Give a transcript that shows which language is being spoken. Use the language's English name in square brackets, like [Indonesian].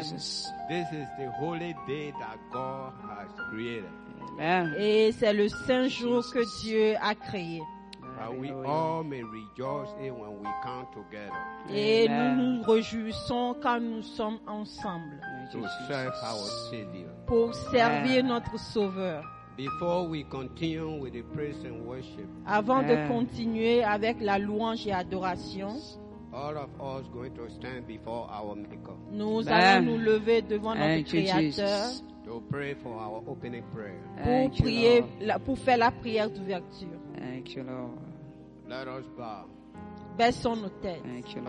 [English] This is the holy day that God has created. Amen. [French] Et c'est le saint jour que Dieu a créé. [English] That we all may rejoice when we come together. [French] Et Amen. Nous nous réjouissons quand nous sommes ensemble. [English] To serve our Savior. [French] Pour servir notre Sauveur. [English] Before we continue with the praise and worship. [French] Avant de continuer avec la louange et adoration. [English] All of us going to stand before our Maker. [French] Nous allons nous lever devant notre Créateur. [English] To pray for our opening prayer. [French] Pour prier, pour faire la prière d'ouverture. [English] Thank you, Lord. Let us bow. [French] Baissons nos têtes. [English] Thank you, Lord.